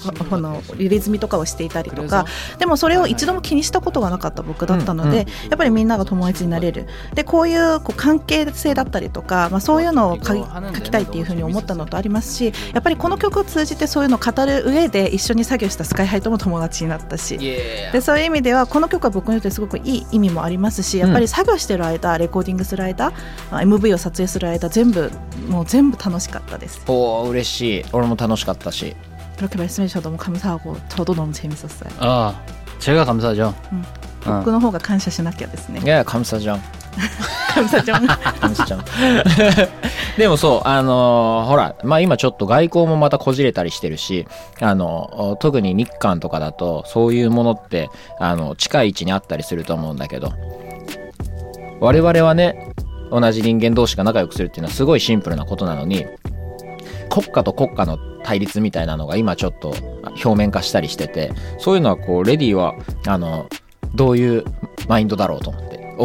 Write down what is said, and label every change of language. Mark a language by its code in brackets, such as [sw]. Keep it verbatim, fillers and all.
[ja] うこの入れ墨とかをしていたりとか、でもそれを一度も気にしたことがなかった僕だったので、やっぱりみんなが友達になれる、でこうい う, こう関係性だったりとか、まあ、そういうのを 書, 書きたいっていうふうに思ったのとありますし、やっぱりこの曲を通じてそういうのを語る上で一緒に作業したスカイハイとも友達になったし、でそういう意味ではこの曲は僕にとってすごくいい意味もありますし、やっぱり作業してる間、レコーディングする間、 エムブイ を撮影する間、全部もう全部楽しかったです。おー嬉しい、俺も楽しかったし、 [ko] 그렇게 말씀해주셔서 너무 감사하고 저도 너무 재밌었어요。ああ、제가 감사하죠。 [ja] 僕の方が感謝しなきゃですね。いや、感謝じゃん。感謝じゃん。感謝じゃん。でもそう、あのー、ほら、まあ今ちょっと外交もまたこじれたりしてるし、あのー、特に日韓とかだと、そういうものって、あの、近い位置にあったりすると思うんだけど、我々はね、同じ人間同士が仲良くするっていうのはすごいシンプルなことなのに、国家と国家の対立みたいなのが今ちょっと表面化したりしてて、そういうのはこう、レディは、あの、どういうマインドだろうと思って。